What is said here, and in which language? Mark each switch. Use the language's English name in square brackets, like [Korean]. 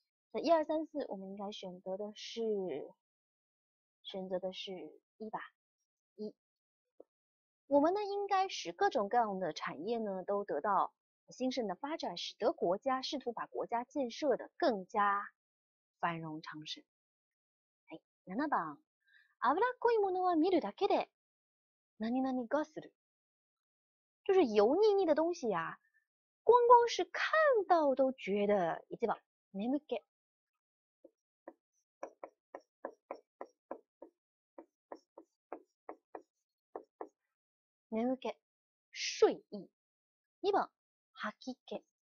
[Chinese] 那一二三四，我们应该选择的是一吧。我们呢，应该使各种各样的产业呢都得到兴盛的发展，使得国家试图把国家建设得更加繁荣昌盛。 [Japanese] 哎，7番，脂っこいものは見るだけで何々がする。 [Chinese] 就是油腻腻的东西呀，光光是看到都觉得一吧，眠気。 [Japanese] 眠気、睡意。2番、吐き気。